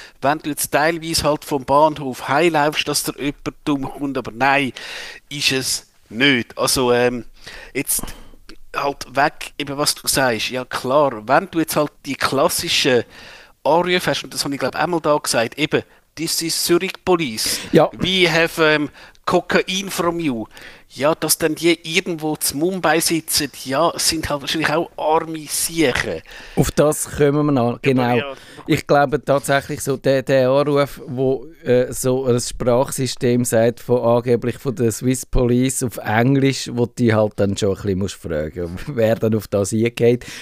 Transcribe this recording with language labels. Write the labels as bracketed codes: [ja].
[de] Wenn du jetzt teilweise halt vom Bahnhof heimläufst, dass dir jemand dumm kommt, aber nein, ist es nicht. Also, jetzt... halt weg, eben was du sagst. Ja klar, wenn du jetzt halt die klassischen Anrufe hast, und das habe ich glaube einmal da gesagt, eben, [en] this is Zurich Police, [de] ja. [en] We have Cocaine from you. [de] Ja, dass dann die irgendwo zu Mumbai sitzen, ja, sind halt wahrscheinlich auch arme Siechen. Auf das kommen wir noch, genau. Ich glaube tatsächlich, so der Anruf, wo so ein Sprachsystem sagt, angeblich von der Swiss Police auf Englisch, wo die halt dann schon ein bisschen fragen muss, wer dann auf das eingeht.